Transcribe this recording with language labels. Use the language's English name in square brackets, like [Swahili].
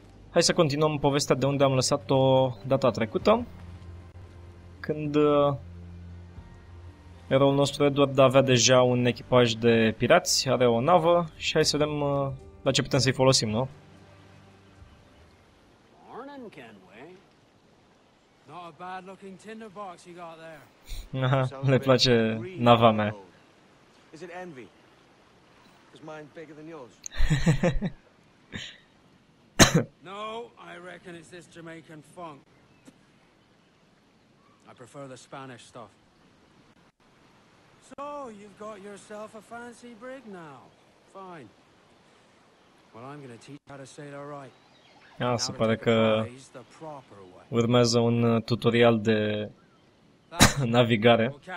[Romanian] Hai să continuăm povestea de unde am lăsat-o data trecută, când eroul nostru Edward avea deja un echipaj de pirați, are o navă și hai să vedem la ce putem să-i folosim, nu? [English] Morning, Kenway. Not a bad looking tinderbox you got there. [Romanian] Aha, le place nava mea. [English] Is it envy? Is mine bigger than yours? No, I reckon it's this Jamaican funk. I prefer the Spanish stuff. So, you've got yourself a fancy brig now. Fine. Well, I'm gonna teach how to sail her right. [Romanian] Ah, se pare că urmează un tutorial de navigare.